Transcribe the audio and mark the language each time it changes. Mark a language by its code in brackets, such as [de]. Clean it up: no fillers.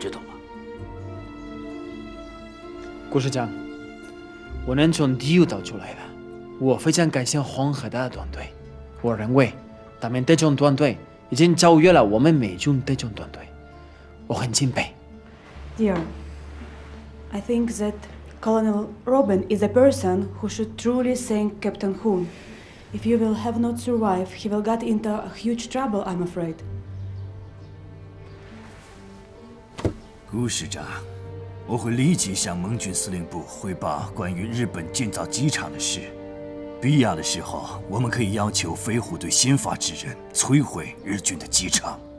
[zh] 知道吗，故事长？我能从地狱逃出来的，我非常感谢黄河大团队。我认为，他们特种团队已经超越了我们美军特种团队，我很敬佩。 [en] Dear, I think that Colonel Robin is a person who should truly thank Captain Hoon. If you will have not survived, he will get into a huge trouble, I'm afraid. [zh] 顾师长，我会立即向盟军司令部汇报关于日本建造机场的事。必要的时候，我们可以要求飞虎队先发制人，摧毁日军的机场。